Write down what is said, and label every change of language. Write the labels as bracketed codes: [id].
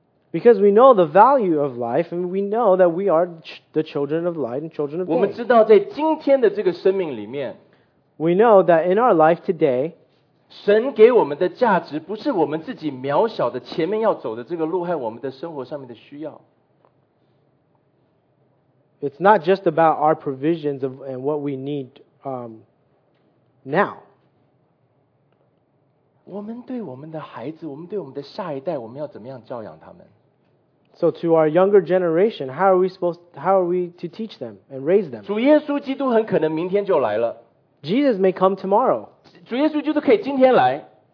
[en] Because we know the value of life and we know that we are the children of light and children of day. [zh] 我们知道在今天的这个生命里面, [en] we know that in our life today, [zh] 神给我们的价值不是我们自己渺小的前面要走的这个路和我们的生活上面的需要。 [en] It's not just about our provisions of and what we need now. [zh] 我们对我们的孩子，我们对我们的下一代，我们要怎么样教养他们？ [en] So to our younger generation, how are we to teach them and raise them? [zh] 主耶稣基督很可能明天就来了。 [en] Jesus may come tomorrow. [zh] 主耶稣基督可以今天来。